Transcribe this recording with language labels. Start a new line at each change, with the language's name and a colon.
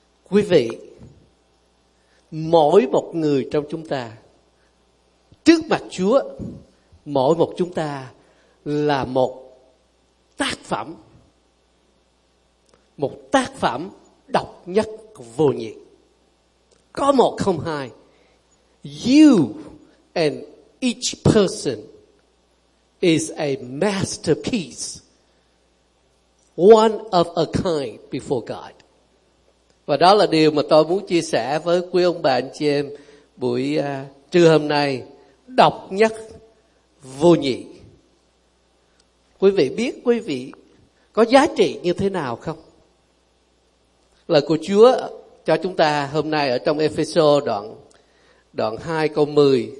Vietnamese: Quý vị, mỗi một người trong chúng ta, trước mặt Chúa, mỗi một chúng ta là một tác phẩm, một tác phẩm độc nhất vô nhị, có một không hai.
English: You and each person is a masterpiece, one of a kind before God.
Vietnamese: Và đó là điều mà tôi muốn chia sẻ với quý ông bà anh chị em buổi trưa hôm nay. Độc nhất vô nhị. Quý vị biết quý vị có giá trị như thế nào không? Lời của Chúa cho chúng ta hôm nay ở trong Ê-phê-sô đoạn 2 câu 10.